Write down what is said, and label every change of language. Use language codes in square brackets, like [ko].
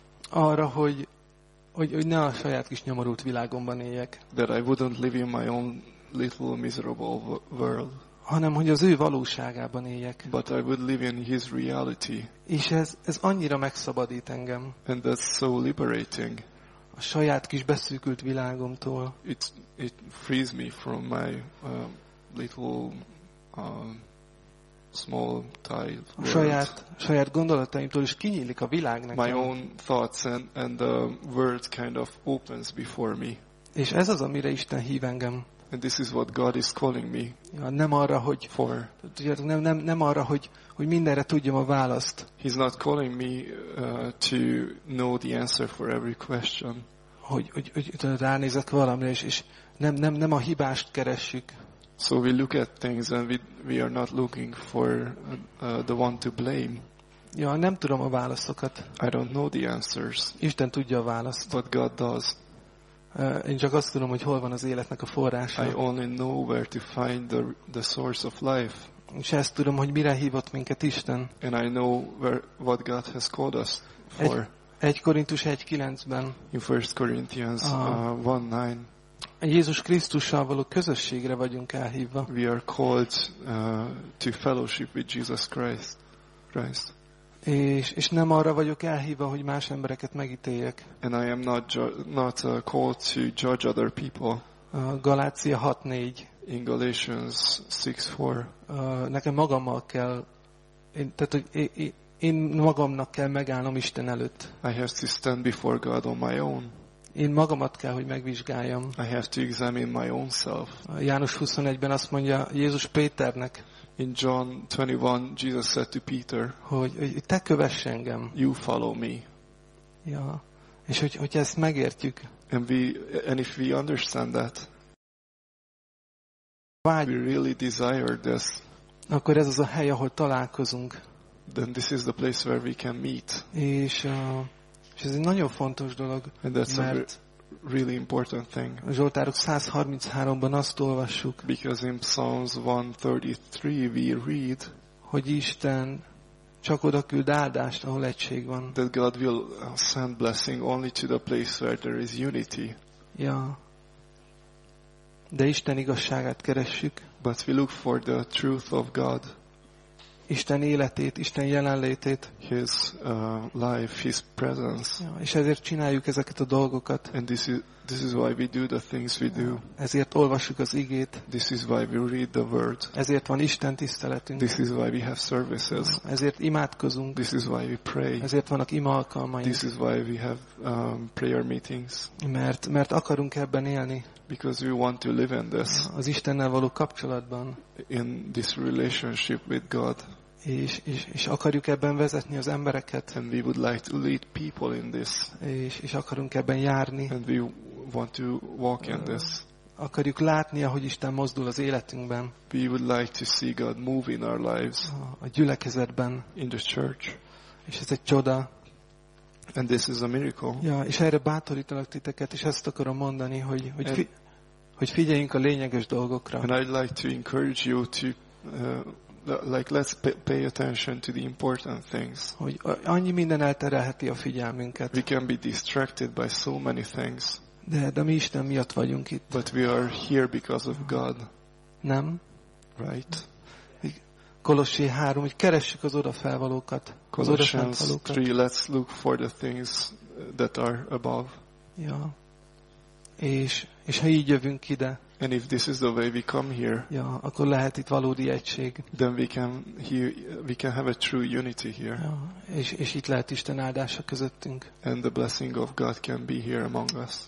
[hu] Arra, hogy ne a saját kis nyomorult világomban éljek. [en] That I wouldn't live in my own little miserable world. [hu] Hanem hogy az ő valóságában éljek. [en] But I would live in his reality. [hu] És ez annyira megszabadít engem. [en] And that's so liberating. [hu] A saját kis beszűkült világomtól. [en] It frees me from my little small tide. [hu] Saját gondolataimtól is kinyílik a világ nekem. [en] My own thoughts and the world kind of opens before me. [hu] És ez az, amire Isten hív engem. [en] And this is what God is calling me. [hu] Ja, nem arra, hogy [en] for. [hu] Nem arra, hogy mindenre tudjam a választ. [en] He's not calling me to know the answer for every question. [hu] Hogy ránézek valamire, és nem a hibást keressük. [en] So we look at things and we are not looking for the one to blame. [hu] Ja, nem tudom a válaszokat. [en] I don't know the answers. [hu] Isten tudja a választ. [en] But God does. [hu] Én csak azt tudom, hogy hol van az életnek a forrása. [en] I only know where to find the source of life. [hu] És ezt tudom, hogy mire hívott minket Isten. [en] And I know what God has called us for. [hu] 1 Korintus 1:9-ben. [en] In 1 Corinthians 1:9. [hu] Jézus Krisztussal való közösségre vagyunk elhívva. [en] We are called to fellowship with Jesus Christ. [hu] És nem arra vagyok elhívva, hogy más embereket megítéljek. [en] And I am not called to judge other people. [hu] Galácia 6:4. [en] In Galatians 6:4. [hu] Nekem magammal kell, én magamnak kell megállnom Isten előtt. [en] I have to stand before God on my own. [hu] Én magamat kell, hogy megvizsgáljam. [en] I have to examine my own self. [hu] János 21-ben azt mondja Jézus Péternek. [en] In John 21, Jesus said to Peter. [hu] Hogy te kövess engem. [en] You follow me. [hu] Ja. És hogy ezt megértjük. [en] And if we understand that. [hu] vágy, [en] we really desire this, [hu] akkor ez az a hely, ahol találkozunk. [en] Then this is the place where we can meet. [hu] És ez egy nagyon fontos dolog, [en] and that's [hu] mert [en] really important thing. [hu] Zsoltárok 133-ban azt olvassuk, [en] because in Psalms 133 we read, [hu] hogy Isten csak oda küld áldást, ahol egység van. [en] That God will send blessing only to the place where there is unity. Ja. [hu] De Isten igazságát keressük. [en] But we look for the truth of God. [hu] Isten életét, Isten jelenlétét. [en] His life, His presence. [hu] Ja, és ezért csináljuk ezeket a dolgokat. [en] And this is why we do the things we do. [hu] Ezért olvassuk az igét. [en] This is why we read the word. [hu] Ezért van Isten tiszteletünk. [en] This is why we have services. [hu] Ezért imádkozunk. [en] This is why we pray. [hu] Ezért vannak ima alkalmaink. [en] This is why we have prayer meetings. [hu] Mert akarunk ebben élni. [en] Because we want to live in this. [hu] Az Istennel való kapcsolatban. [en] In this relationship with God. [hu] És akarjuk ebben vezetni az embereket. [en] And we would like to lead people in this. [hu] És akarunk ebben járni. [en] And we want to walk in this. [hu] Akarjuk látni, ahogy Isten mozdul az életünkben. [en] We would like to see God move in our lives. [hu] A gyülekezetben. [en] In the church. [hu] És ez egy csoda. [en] And this is a miracle. [hu] Ja, és erre bátorítanak titeket, és ezt akarom mondani, hogy figyeljünk a lényeges dolgokra. [en] And I'd like to encourage you to let's pay attention to the important things. [hu] Hogy annyi minden elterelheti a figyelmünket. [en] We can be distracted by so many things. [hu] De mi Isten miatt vagyunk itt. [en] But we are here because of God. [hu] Nem? [en] Right. [hu] Kolossi 3, hogy keressük az odafelvalókat. [en] Colossians 3, let's look for the things that are above. [hu] Ja. És ha így jövünk ide, [en] and if this is the way we come here, [hu] ja, akkor lehet itt valódi egység. [en] Then we can have a true unity here. Ja. [hu] És itt lehet Isten áldása közöttünk. [en] And the blessing of God can be here among us.